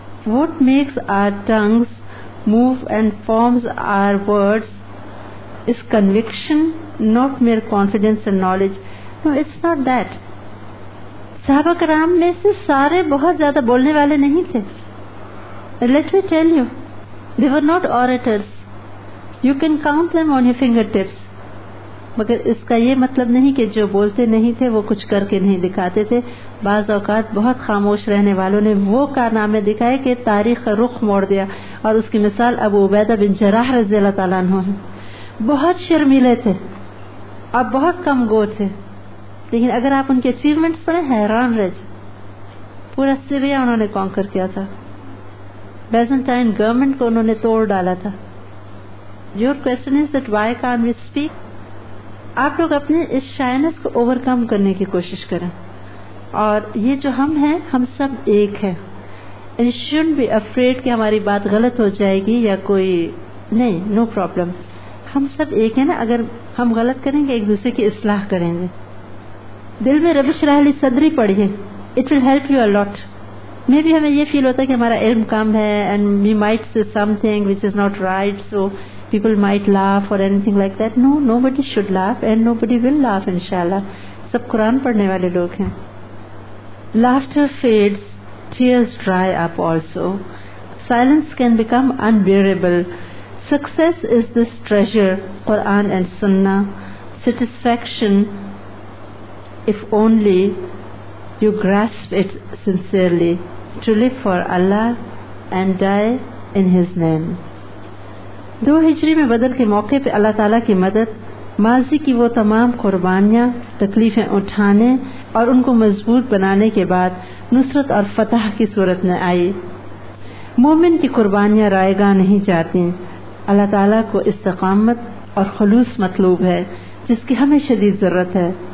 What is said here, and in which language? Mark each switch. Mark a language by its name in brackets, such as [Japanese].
[English] What makes our tongues move and forms our words is conviction, not mere confidence and knowledge. No, it's not that. [Urdu] Sahaba karam mein se sare bahut zyada bolne wale nahi the. [English] Let me tell you, they were not orators. You can count them on your fingertips. [Urdu] مگر اس کا یہ مطلب نہیں کہ جو بولتے نہیں تھے وہ کچھ کر کے نہیں دکھاتے تھے. بعض اوقات بہت خاموش رہنے والوں نے وہ کارنامے دکھائے کہ تاریخ کا رخ موڑ دیا، اور اس کی مثال ابو عبیدہ بن جراح رضی اللہ تعالیٰ عنہ ہیں. بہت شرمیلے تھے اور بہت کم گو تھے، لیکن اگر آپ ان کے اچیومنٹس پڑھیں حیران رہ جائیں. پورا سیریا انہوں نے کانکر کیا تھا، بیزنٹائن گورنمنٹ کو انہوں نے توڑ ڈالا تھا. [English] Your question is that why can't we speak? [Urdu] آپ لوگ اپنے اس شائنس کو اوور کم کرنے کی کوشش کریں، اور یہ جو ہم ہیں ہم سب ایک ہیں. [English] and shouldn't be afraid [Urdu] کہ ہماری بات غلط ہو جائے گی یا کوئی نہیں، [English] no problem, [Urdu] ہم سب ایک ہیں نا. اگر ہم غلط کریں گے ایک دوسرے کی اصلاح کریں گے. دل میں ربش رحلی صدری پڑھیے، [English] It will help you a lot. May be [Urdu] ہمیں یہ فیل ہوتا ہے کہ ہمارا علم کم ہے، [English] And we might say something which is not right, so people might laugh or anything like that. No, nobody should laugh and nobody will laugh, inshallah. [Urdu] Sab Quran padhne wale log hain. [English] Laughter fades, tears dry up also. Silence can become unbearable. Success is this treasure, Quran and Sunnah. Satisfaction, if only you grasp it sincerely, to live for Allah and die in His name. [Urdu] 2 ہجری میں بدر کے موقع پہ اللہ تعالیٰ کی مدد، ماضی کی وہ تمام قربانیاں، تکلیفیں اٹھانے اور ان کو مضبوط بنانے کے بعد نصرت اور فتح کی صورت میں آئی. مومن کی قربانیاں رائے گاہ نہیں جاتی. اللہ تعالیٰ کو استقامت اور خلوص مطلوب ہے، جس کی ہمیں شدید ضرورت ہے.